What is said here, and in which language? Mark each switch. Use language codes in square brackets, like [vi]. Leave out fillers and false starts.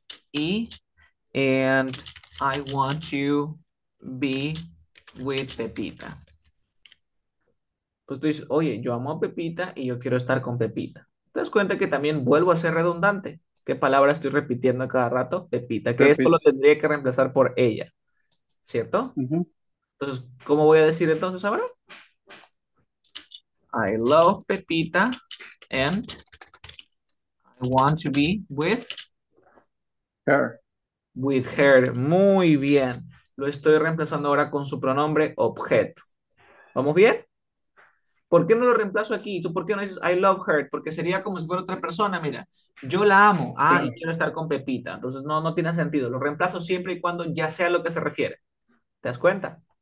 [en] Y and I want to be with Pepita. [es] Pues tú dices, oye, yo amo a Pepita y yo quiero estar con Pepita. Te das cuenta que también vuelvo a ser redundante. ¿Qué palabra estoy repitiendo a cada rato? Pepita, que esto lo Repite. tendría que reemplazar por ella, ¿cierto? Entonces, ¿cómo voy a decir entonces ahora? [en] I love Pepita and I want to be with her. [es] Muy bien. Lo estoy reemplazando ahora con su pronombre objeto. ¿Vamos bien? ¿Por qué no lo reemplazo aquí? ¿Tú por qué no dices [en] I love her? [es] Porque sería como si fuera otra persona. Mira, yo la amo. Y Claro. quiero estar con Pepita. Entonces no tiene sentido. Lo reemplazo siempre y cuando ya sea a lo que se refiere. ¿Te das cuenta?